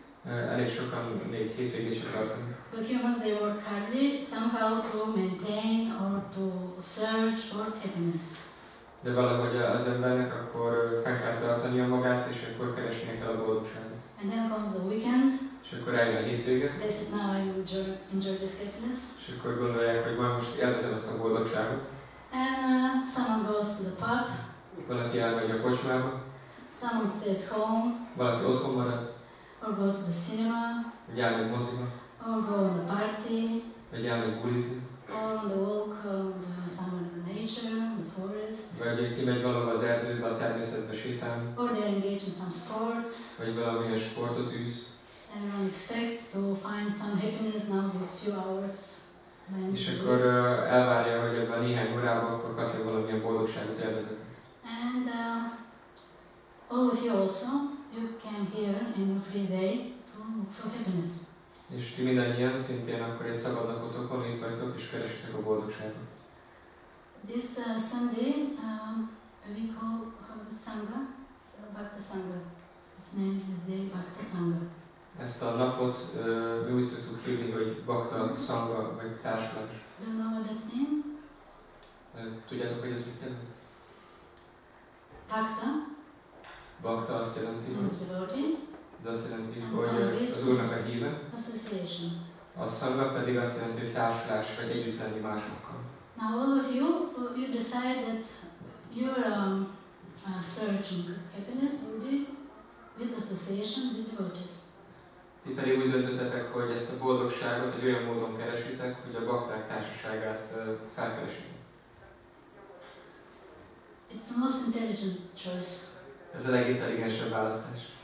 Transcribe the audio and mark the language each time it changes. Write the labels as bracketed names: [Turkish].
[Hungarian] Elég sokan még hétvégén sem tartani. [English] But humans, they work hardly somehow to maintain or to search for happiness. [Hungarian] De valahogy az embernek akkor fel kell tartania magát, és akkor keresnie kell a boldogságot. [English] And then comes the weekend. [Hungarian] És akkor eljön a hétvége. [English] They said, now I will enjoy this happiness. [Hungarian] És akkor gondolják, hogy majd most élvezem ezt a boldogságot. [English] And someone goes to the pub. [Hungarian] Valaki elmegy a kocsmába. [English] Someone stays home. [Hungarian] Valaki otthon marad. [English] Or go to the cinema. [Hungarian] Vagy elmegy moziba. [English] Or go on a party. [Hungarian] Vagy elmegy bulizni. [English] Or on the walk of the summer of the nature, the forest. [Hungarian] Vagy kimegy valahol az erdőbe, a természetbe sétálni. [English] Or they are engaged in some sports. [Hungarian] Vagy valamilyen sportot űz. [English] Everyone expects to find some happiness now these few hours. [Hungarian] És akkor elvárja, hogy ebben néhány órában akkor kapja valamilyen boldogságot élvezetni. [English] And all of you also, you came here in your free day to look for happiness. [Hungarian] És ti mindannyian szintén akkor egy szabad napotokon itt vagytok és keresitek a boldogságot. [English] This Sunday we call the Sangha, Bhakta Sangha. It's named this day Bhakta Sangha. [Hungarian] Ezt a napot mi úgy szoktuk hívni, hogy Bhakta Sangha, vagy társulat. [English] Do you know what that means? [Hungarian] Tudjátok, hogy ez mit jelent? [Sanskrit] Bhakta. [Hungarian] Bhakta azt jelenti, hogy ez azt jelenti, hogy az Úrnak a híve. [English] Association. [Hungarian] A Sangha pedig azt jelenti, hogy társulás, vagy együtt lenni másokkal. [English] Now all of you, you decide that your searching happiness will be with association, with devotees. [Hungarian] Ti pedig úgy döntöttetek, hogy ezt a boldogságot egy olyan módon keresitek, hogy a bakták társaságát felkeresítek. [English] It's the most intelligent choice. [Hungarian] Ez a legintelligensebb választás.